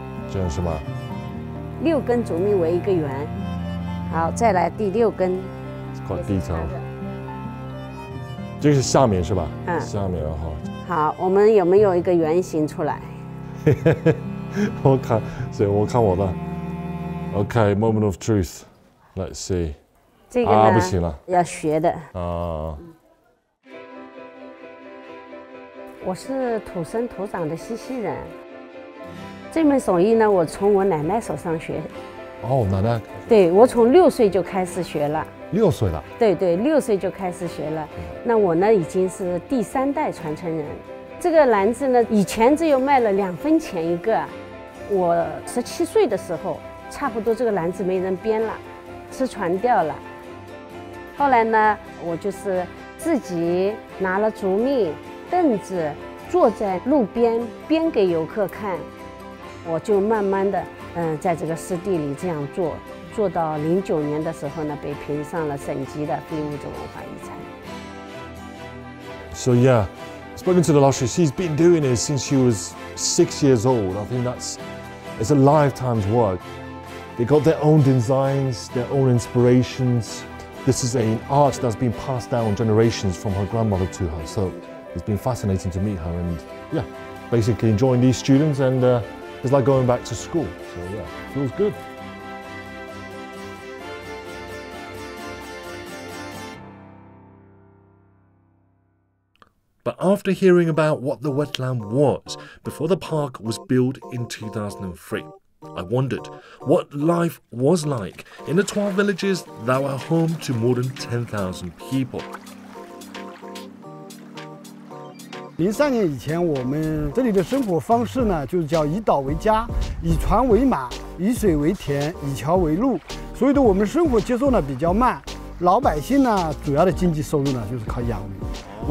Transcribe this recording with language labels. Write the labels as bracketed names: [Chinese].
[Chinese] 这是吗？六根竹密为一个圆，好，再来第六根，搞地层，这是下面是吧？嗯，下面然后，好，我们有没有一个圆形出来？我看，所以我看我的 ，OK， [English] moment of truth， let's see， [Chinese] 这个啊不行了，要学的啊。我是土生土长的西西人，这门手艺呢，我从我奶奶手上学。哦，奶奶。对，我从六岁就开始学了。六岁了？对对，六岁就开始学了。那我呢，已经是第三代传承人。这个篮子呢，以前只有卖了两分钱一个。我十七岁的时候，差不多这个篮子没人编了，失传掉了。后来呢，我就是自己拿了竹篾。凳子坐在路边编给游客看，我就慢慢的在这个湿地里这样做，做到2009年的时候呢，被评上了省级的非物质文化遗产。 [English] So yeah, spoken to the Lushi, she's been doing it since she was 6 years old. I think it's a lifetime's work. They got their own designs, their own inspirations. This is an art that's been passed down generations from her grandmother to her. So. It's been fascinating to meet her and, yeah, basically enjoying these students and it's like going back to school. So, yeah, feels good. But after hearing about what the wetland was before the park was built in 2003, I wondered what life was like in the 12 villages that were home to more than 10,000 people. [Chinese] 2003年以前，我们这里的生活方式呢，就是叫以岛为家，以船为马，以水为田，以桥为路。所以呢，我们生活节奏呢比较慢，老百姓呢主要的经济收入呢就是靠养鱼。